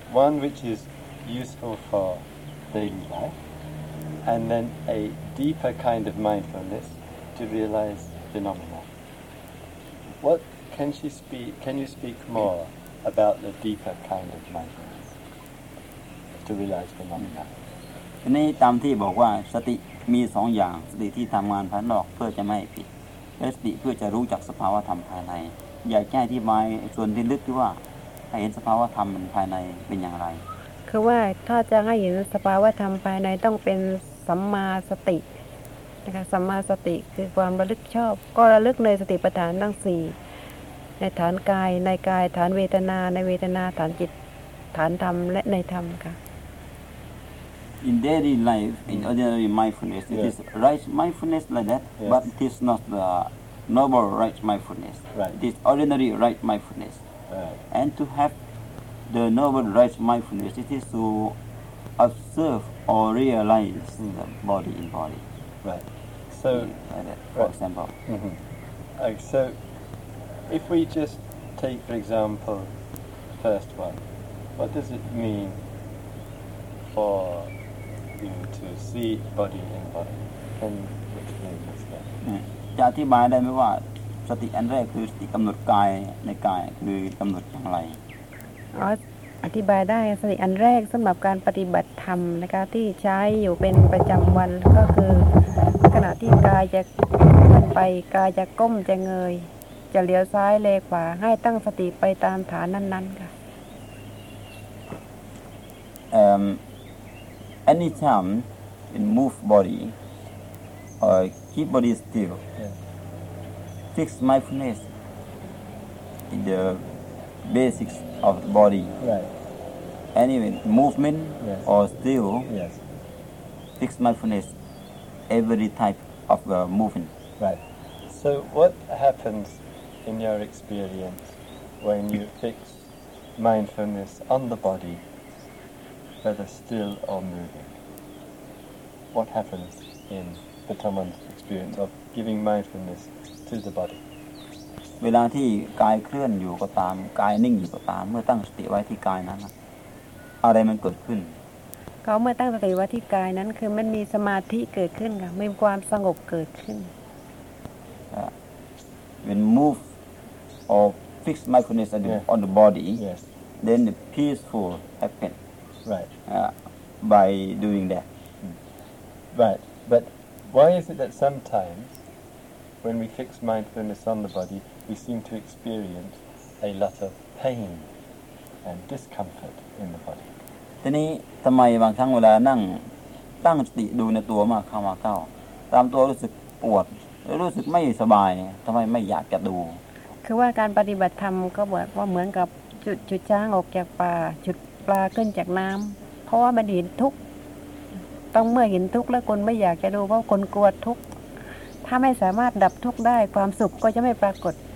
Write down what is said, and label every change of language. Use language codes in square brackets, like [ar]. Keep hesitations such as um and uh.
[en] One which is useful for daily life, and then a deeper kind of mindfulness to realize phenomena. What can she speak? Can you speak more about the deeper kind of mindfulness to realize phenomena? [th] ทีนี้ตามที่บอกว่าสติมีสองอย่างสติที่ทำงานภายนอกเพื่อจะไม่ให้ผิดและสติเพื่อจะรู้จักสภาวะธรรมภายใน อยากแก้ที่มายส่วนที่ลึกที่ว่าให้เห็นสภาวะธรรมมันภายในเป็นอย่างไร คือว่าถ้าจะให้เห็นสภาวะธรรมภายในต้องเป็นสัมมาสตินะคะสัมมาสติคือความระลึกชอบ ก็ระลึกในสติปัฏฐานทั้งสี่ในฐานกายในกายฐานเวทนา ในเวทนาฐานจิตฐานธรรมและในธรรมค่ะ [en] in daily life, in ordinary mindfulness, it Yeah. is right mindfulness like that, Yeah. but it is not the noble right mindfulness. Right. It is ordinary right mindfulness. Right. And to have the noble right mindfulness, it is to observe or realize the body in body. Right. So. like that, for Right. example. Mhm. Okay, so, if we just take, for example, the first one, what does it mean for you to see body in body? Can you explain this then? [th] จะอธิบายได้ไหมว่าสติอันแรกคือสติกำหนดกายในกายคือกำหนดอย่างไร อ๋ออธิบายได้สติอันแรกสำหรับการปฏิบัติธรรมนะคะที่ใช้อยู่เป็นประจำวันก็คือขณะที่กายจะเคลื่อนไปกายจะก้มจะเงย จะเลี้ยวซ้ายเลขวาให้ตั้งสติไปตามฐานนั้นๆค่ะ [en] um, anytime it move body or keep body still Yeah. fix mindfulness in the basics of the body Right, anyway movement Yes. or still yes, fix mindfulness every type of uh, movement right. So, what happens in your experience when you fix mindfulness on the body, whether still or moving? What happens in the Taman's experience of giving mindfulness to the body? [th] เวลาที่กายเคลื่อนอยู่ก็ตามกายนิ่งอยู่ก็ตาม เมื่อตั้งสติไว้ที่กายนั้นนะอะไรมันเกิดขึ้น เขาเมื่อตั้งสติไว้ที่กายนั้นคือมันมีสมาธิเกิดขึ้นค่ะมีความสงบเกิดขึ้น [en] when move or fix mindfulness on the, Yeah. on the body, Yes, then the peaceful happen right, uh, by doing that. right. But why is it that sometimes when we fix mindfulness on the body, we seem to experience a lot of pain and discomfort in the body? [th] ทีนี้ทำไมบางครั้งเวลานั่งตั้งสติดูในตัวมากเข้ามาเข้า ตามตัวรู้สึกปวดรู้สึกไม่สบายทำไมไม่อยากจะดู คือว่าการปฏิบัติธรรมก็บอกว่าเหมือนกับจุดจุดช้างออกจากป่าจุดปลาขึ้นจากน้ำเพราะว่ามันเห็นทุกข์ต้องเมื่อเห็นทุกข์แล้วคนไม่อยากจะดูเพราะคนกลัวทุกข์ถ้าไม่สามารถดับทุกข์ได้ความสุขก็จะไม่ปรากฏ